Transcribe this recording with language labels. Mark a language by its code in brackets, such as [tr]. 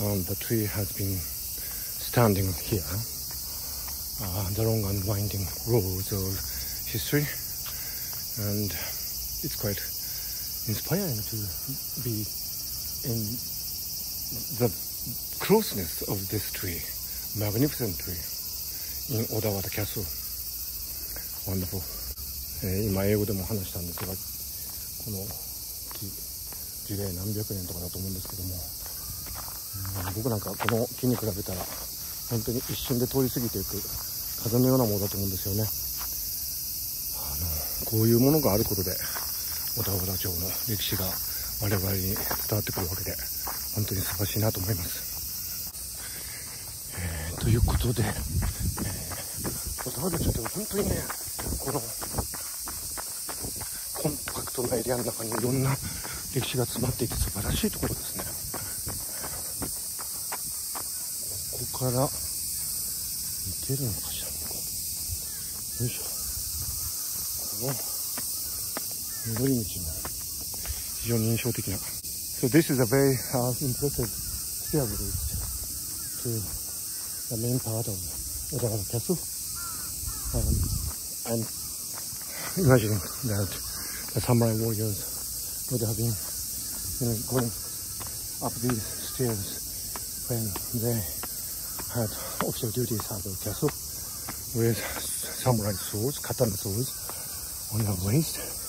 [en] The tree has been standing here, the long and winding roads of history, and it's quite inspiring to be in the closeness of this tree, magnificent tree, in Odawara Castle. Wonderful. [ja] 今英語でも話したんですが、この木、樹齢何百年とかだと思うんですけども、僕なんかこの木に比べたら本当に一瞬で通り過ぎていく風のようなものだと思うんですよね。こういうものがあることで小田原城の歴史が我々に伝わってくるわけで、本当に素晴らしいなと思います。ということで、小田原城って本当にね、このコンパクトなエリアの中にいろんな歴史が詰まっていて素晴らしいところですね。ここから行けるのかしら。ここよいしょ、この戻り道も非常に印象的な。 [en] So this is a very impressive stairway to the main part of Odawara Castle. And imagine that the samurai warriors would have been, you know, going up these stairs when they had official duties at the castle with samurai swords, katana swords on their waist.